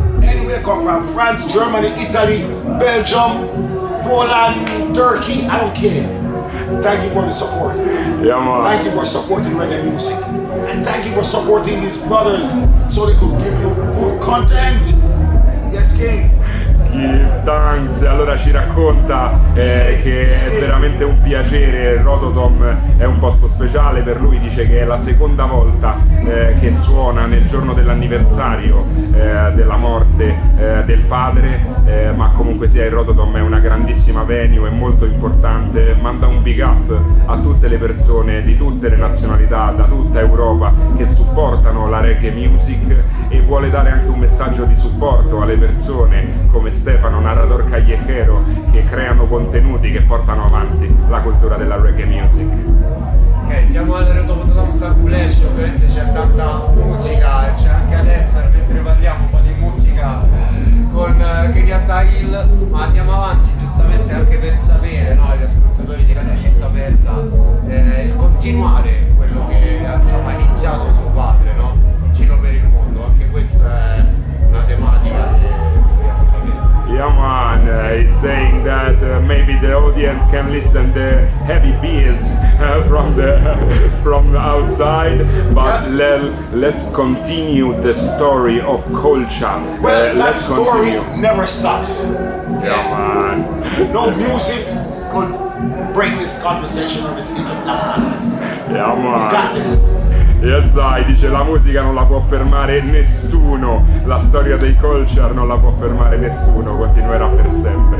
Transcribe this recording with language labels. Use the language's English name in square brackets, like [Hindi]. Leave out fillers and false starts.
[English] Anywhere they come from, France, Germany, Italy, Belgium, Poland, Turkey, I don't care. Thank you for the support. Yeah, man. Thank you for supporting reggae music. And thank you for supporting these brothers so they could give you good content. Yes, King. Thanks. [Italian] Allora ci racconta che è veramente un piacere. Rototom è un posto speciale per lui, dice che è la seconda volta che suona nel giorno dell'anniversario della morte del padre, ma comunque sia il Rototom è una grandissima venue, è molto importante, manda un big up a tutte le persone di tutte le nazionalità da tutta Europa che supportano la reggae music, e vuole dare anche un messaggio di supporto alle persone come Stefano, narrator callejero, che creano contenuti che portano avanti la cultura della reggae music. Ok, siamo al Rototom Sun Splash, ovviamente c'è tanta musica, e c'è anche adesso, mentre parliamo, un po' di musica con Kenyatta Hill, ma andiamo avanti giustamente anche per sapere, no, gli ascoltatori di Radio Città Aperta, il continuare quello che ha diciamo, iniziato suo padre, no, in giro per il mondo, anche questa è una tematica. [English] Yaman is saying that maybe the audience can listen to heavy beers from the outside, but let's continue the story of culture. Well, that story never stops. Yaman. No music could break this conversation or this interview. Yaman. You got this. [Italian] E sai, dice, la musica non la può fermare nessuno, la storia dei culture non la può fermare nessuno, continuerà per sempre.